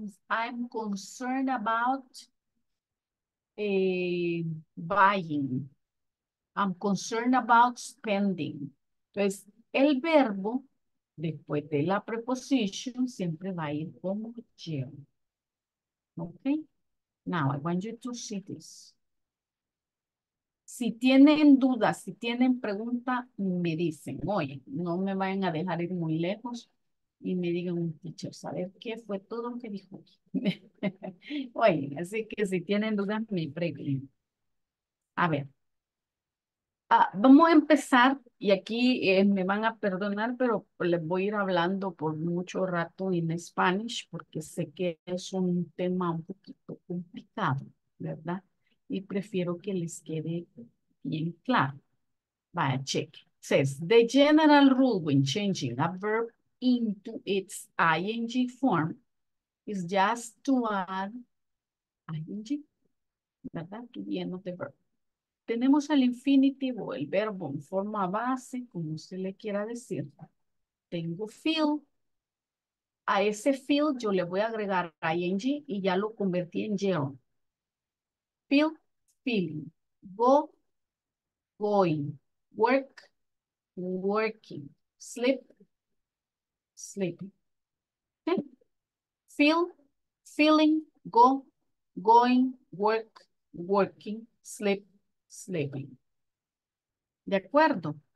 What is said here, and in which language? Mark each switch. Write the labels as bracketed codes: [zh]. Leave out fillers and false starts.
[en] I'm concerned about buying. I'm concerned about spending. [es] Entonces, el verbo, después de la preposición, siempre va a ir como gerund. [en] Okay, now I want you to see this. [es] Si tienen dudas, si tienen pregunta, me dicen, oye, no me vayan a dejar ir muy lejos y me digan un teacher, ¿saber qué fue todo lo que dijo? Oye, así que si tienen dudas, me pregunten. A ver, vamos a empezar y aquí me van a perdonar, pero les voy a ir hablando por mucho rato en Spanish porque sé que es un tema un poquito complicado, ¿verdad? Y prefiero que les quede bien claro. Vaya, check. [en] It says, the general rule when changing a verb into its ing form is just to add ing, ¿verdad? To the end of the verb. [es] Tenemos el infinitive o el verbo en forma base, como usted le quiera decir. Tengo feel. A ese feel yo le voy a agregar ing y ya lo convertí en gerund. Feel. [en] Feeling, go, going, work, working, sleep, sleeping, feel, feeling, go, going, work, working, sleep, sleeping. De acuerdo.